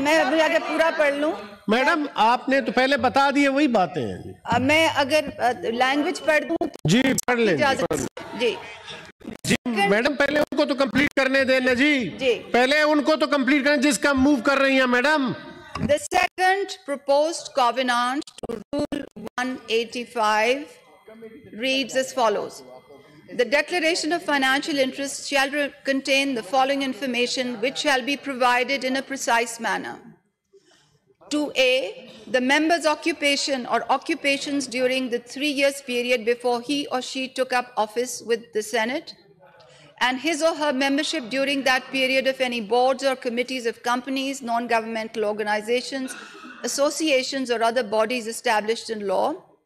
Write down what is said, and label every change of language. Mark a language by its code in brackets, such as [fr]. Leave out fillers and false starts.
[ur] میں ابھی آگے پورا پڑھ لوں. میڈم آپ نے تو پہلے بتا دیے وہی باتیں ہیں. میں اگر لینگویج پڑھ دوں جی پڑھ لیں جی. جی میڈم پہلے ان کو تو کمپلیٹ کرنے دیں نا جی. جی پہلے ان کو تو کمپلیٹ کریں جس کا موو کر رہی ہیں madam. [en] The second proposed covenant to rule 185 reads as follows. The declaration of financial interest shall contain the following information, which shall be provided in a precise manner. 2A, the member's occupation or occupations during the 3 years period before he or she took up office with the Senate, and his or her membership during that period of any boards or committees of companies, non-governmental organizations, associations or other bodies established in law.